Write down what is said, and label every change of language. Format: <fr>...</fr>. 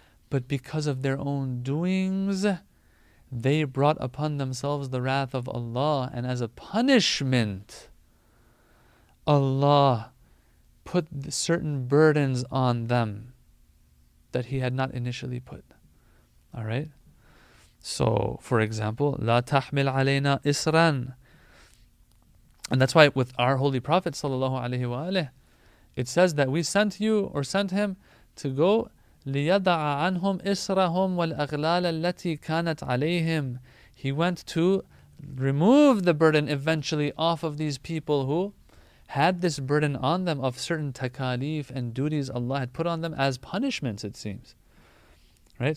<en>But because of their own doings, they brought upon themselves the wrath of Allah. And as a punishment, Allah put certain burdens on them that He had not initially put. Alright? So, for example,</en> <ar>لا تحمل علينا إسران.</ar> <en>And that's why with our Holy Prophet</en> <ar>صلى الله عليه وآله,</ar> <en>it says that we sent you or sent him to go</en> <ar>لِيَدَعَ عَنْهُمْ إِسْرَهُمْ وَالْأَغْلَالَ الَّتِي كَانَتْ عَلَيْهِمْ.</ar> <en>He went to remove the burden eventually off of these people who had this burden on them of certain takalif and duties Allah had put on them as punishments, it seems. Right?</en>